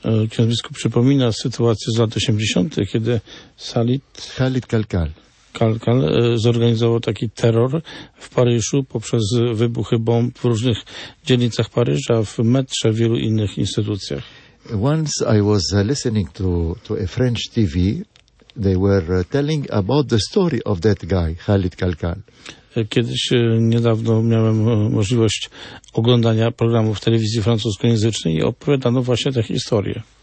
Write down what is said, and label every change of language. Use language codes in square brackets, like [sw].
[pl] Ksiądz biskup przypomina sytuację z lat 80., kiedy Khalid Kalkal. Kalkal zorganizował taki terror w Paryżu poprzez wybuchy bomb w różnych dzielnicach Paryża, w metrze, w wielu innych instytucjach. [en] Once I was listening to a French TV. They were telling about the story of that guy, Khalid Kalkal. [pl] Kiedyś niedawno miałem możliwość oglądania programu w telewizji francuskojęzycznej i opowiadano właśnie tę historię.